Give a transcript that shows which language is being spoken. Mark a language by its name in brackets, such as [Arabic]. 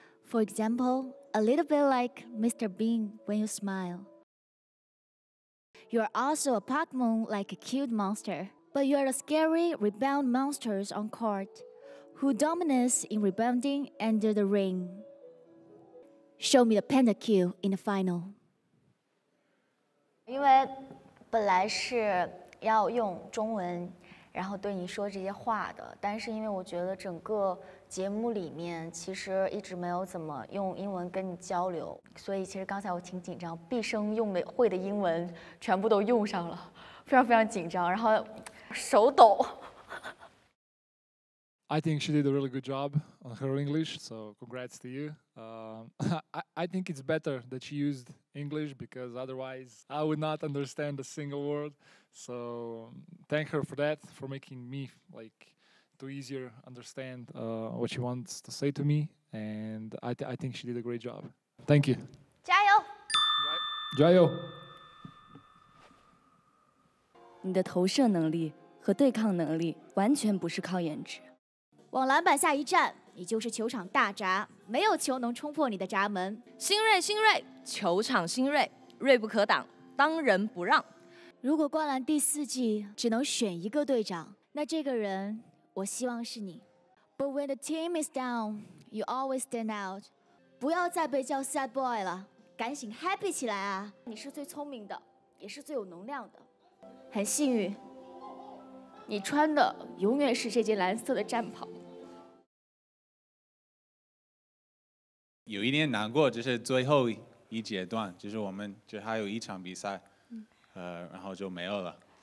[English] For example, a little bit like Mr. Bean when you smile. You are also a Pokemon like a cute monster, but you are a scary rebound monsters on court, who dominates in rebounding under the ring. Show me the panda kill in the final. [Chinese] 因为本来是要用中文，然后对你说这些话的，但是因为我觉得整个节目里面其实一直没有怎么用英文跟你交流，所以其实刚才我挺紧张，毕生用的会的英文全部都用上了，非常非常紧张，然后手抖。 [English] I think she did a really good job on her English, so congrats to you. I think it's better that she used English because otherwise I would not understand a single word. So thank her for that, for making me like. To easier understand what she wants to say to me, and I think she did a great job. Thank you. [Chinese] 加油！加油！你的投射能力和对抗能力完全不是靠颜值。往篮板下一站，你就是球场大闸，没有球能冲破你的闸门。新锐，新锐，球场新锐，锐不可挡，当仁不让。如果灌篮第四季只能选一个队长，那这个人。我希望是你。 [English] But when the team is down, you always stand out. [Chinese] 不要再被叫 [English] sad boy [Chinese] 了，赶紧 happy 起来啊！你是最聪明的，也是最有能量的。很幸运，你穿的永远是这件蓝色的战袍。有一点难过，就是最后一阶段，就是我们就还有一场比赛，然后就没有了。